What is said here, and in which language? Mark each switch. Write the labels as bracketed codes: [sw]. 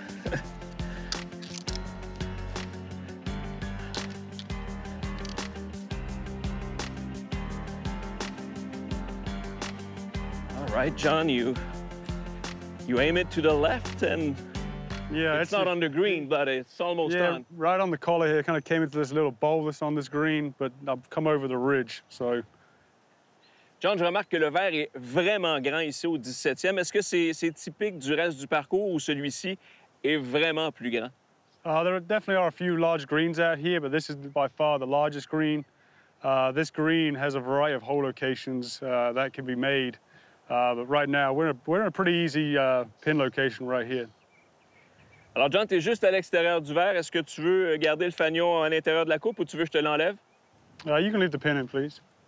[en] All right, John, you aim it to the left and yeah, it's not on the green, but it's almost yeah, on. Yeah, right on the collar here, kind of came into this little bowl that's on this green, but I've come over the ridge, so. [fr] John, je remarque que le vert est vraiment grand ici au 17e. Est-ce que c'est typique du reste du parcours ou celui-ci est vraiment plus grand? [en] There definitely are a few large greens out here, but this is by far the largest green. This green has a variety of hole locations that can be made. But right now, we're in a pretty easy pin location right here. [fr] Alors, John, t'es juste à l'extérieur du verre. Est-ce que tu veux garder le fanion à l'intérieur de la coupe ou tu veux que je te l'enlève? [en] You can leave the pin in, please.